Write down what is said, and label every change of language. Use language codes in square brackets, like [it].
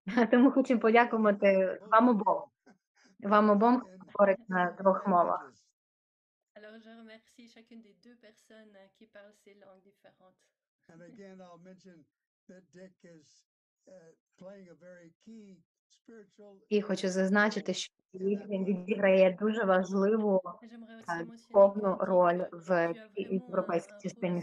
[uk] Тому хочемо подякувати вам обом, хто говорить на двох мовах. [fr] Alors je remercie chacune des deux personnes qui parlent ces langues différentes. [en] And again, I'll mention that Dick is playing a very key. [uk] І хочу зазначити, що він відіграє дуже важливу повну роль в європейській частині